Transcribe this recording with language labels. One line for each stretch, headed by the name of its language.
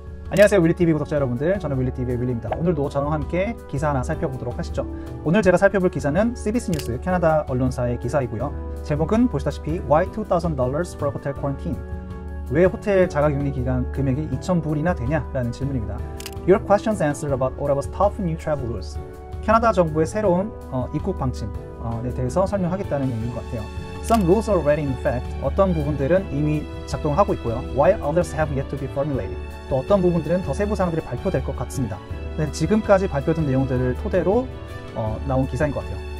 Korean: 안녕하세요 윌리티비 구독자 여러분들, 저는 윌리티비의 윌리입니다. 오늘도 저와 함께 기사 하나 살펴보도록 하시죠. 오늘 제가 살펴볼 기사는 CBC 뉴스 캐나다 언론사의 기사이고요. 제목은 보시다시피
English: Why $2,000 for Hotel Quarantine?
Korean: 왜 호텔 자가격리 기간 금액이 2,000불이나 되냐? 라는 질문입니다.
English: Your questions answered about all of us tough new travel rules.
Korean: 캐나다 정부의 새로운 입국 방침에 대해서 설명하겠다는 얘기인 것 같아요.
English: Some rules are already in effect.
Korean: 어떤 부분들은 이미 작동하고 있고요.
English: While others have yet to be formulated.
Korean: 또 어떤 부분들은 더 세부사항들이 발표될 것 같습니다. 네, 지금까지 발표된 내용들을 토대로 나온 기사인 것 같아요.